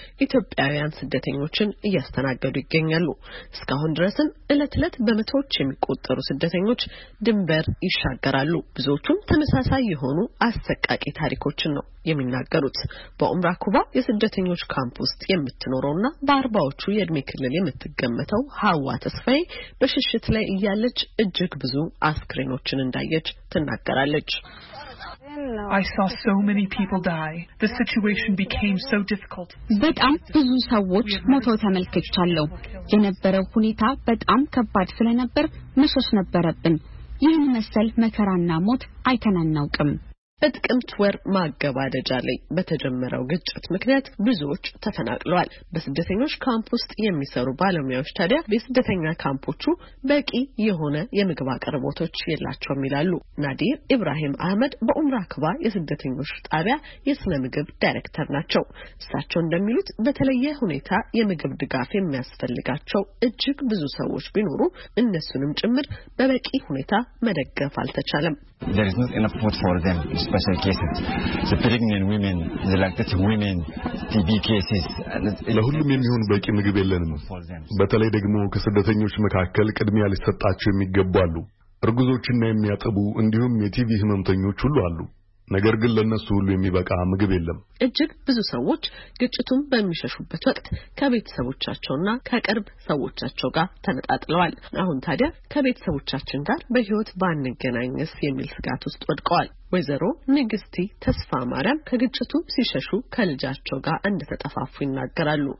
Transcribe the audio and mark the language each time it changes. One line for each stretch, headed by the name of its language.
Amharic: ኢትዮጵያውያን ስደተኞችን እያስተናገዱ ይገኛሉ። እስካሁን ድረስም እለትለት በመቶዎች የሚቆጠሩ ስደተኞች ድንበር ይሻገራሉ። ብዙዎቹም ተመሳሳይ የሆኑ አስተቃቂ ታሪኮችን ነው የሚናገሩት። በኡምራ ኩባ የስደተኞች ካምፕ ውስጥ የምትኖረውና በ40ዎቹ የእድሜ ክልል የምትገመተው ሀዋ ተስፋዬ በሽሽት ላይ እያለች እጅግ ብዙ አስክሬኖችን እንዳየች ትናገራለች።
English: I saw so many people die. The situation became so difficult.
Amharic: በጣም ብዙ ሰዎች ሞተው ተመልክቻለሁ። የነበረው ሁኔታ በጣም ከባድ ስለነበር መሸሽ ነበረብን። ይህን መሰል መከራና ሞት አይተናናውቅም። በጥቅምት ወር ማገባደጃ ላይ በተጀመረው ግጭት ምክንያት ብዙዎች ተፈናቅለዋል። በስደተኞች ካምፕ ውስጥ የሚሰሩ ባለሙያዎች ታዲያ በስደተኛ ካምፖቹ በቂ የሆነ የምግብ አቅርቦቶች የላቸውም ይላሉ። ናዲር ኢብራሂም አህመድ በኡምራ ከባ የስደተኞች ጣቢያ የስነ ምግብ ዳይሬክተር ናቸው። እሳቸው እንደሚሉት በተለየ ሁኔታ የምግብ ድጋፍ የሚያስፈልጋቸው እጅግ ብዙ ሰዎች ቢኖሩ እነሱንም ጭምር በበቂ ሁኔታ መደገፍ አልተቻለም።
English: There is not enough food for them, especially cases. The pregnant women, the lactating women, TB cases.
Amharic: ለሁሉም የሚሆን በቂ ምግብ የለንም። በተለይ ደግሞ ከስደተኞች መካከል ቅድሚያ ሊሰጣቸው የሚገቡ አሉ። እርግዞችና የሚያጠቡ እንዲሁም የTB ህመምተኞች ሁሉ አሉ። ነገር ግን ለነሱ ሁሉ የሚበቃ ምግብ የለም። እጅግ ብዙ ሰዎች ግጭቱን በሚሸሹበት ወቅት ከቤተሰቦቻቸውና ከቅርብ ሰዎቻቸው ጋር ተነጣጥለዋል። አሁን ታዲያ ከቤተሰቦቻችን ጋር በህይወት ባንገናኝስ የሚል ስጋት ውስጥ ወድቀዋል። ወይዘሮ ንግስቲ ተስፋ ማርያም ከግጭቱ ሲሸሹ ከልጃቸው ጋር እንደተጠፋፉ ይናገራሉ።